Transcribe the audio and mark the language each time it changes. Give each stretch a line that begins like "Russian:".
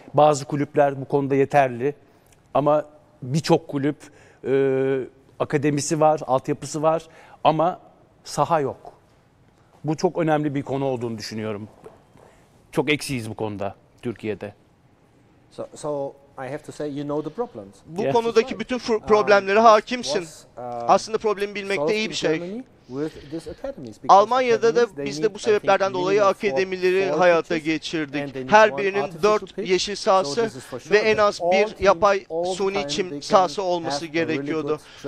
Turkish: Bazı kulüpler bu konuda yeterli ama birçok kulüp akademisi var, altyapısı var ama saha yok. Bu çok önemli bir konu olduğunu düşünüyorum. Çok eksiyiz bu konuda Türkiye'de.
English: So I have to say you know the problems.
Turkish: Bu konudaki bütün problemlere hakimsin. Aslında problemi bilmek de iyi bir şey. Almanya'da da biz de bu sebeplerden dolayı akademileri hayata geçirdik. Her birinin 4 yeşil sahası ve en az 1 yapay suni çim sahası olması gerekiyordu.